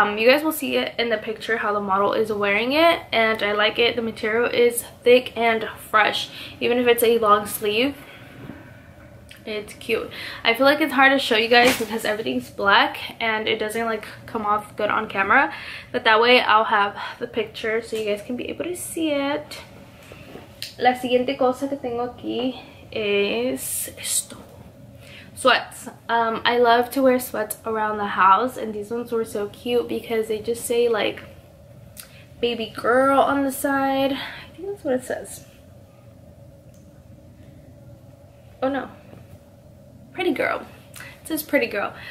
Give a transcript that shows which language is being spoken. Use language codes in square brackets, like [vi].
[en] You guys will see it in the picture how the model is wearing it, and I like it. The material is thick and fresh. Even if it's a long sleeve, it's cute. I feel like it's hard to show you guys because everything's black and it doesn't like come off good on camera, but that way I'll have the picture so you guys can be able to see it. [es] La siguiente cosa que tengo aquí es esto. [en] Sweats. I love to wear sweats around the house, and these ones were so cute because they just say like baby girl on the side. I think that's what it says. Oh no. Pretty girl. It says pretty girl.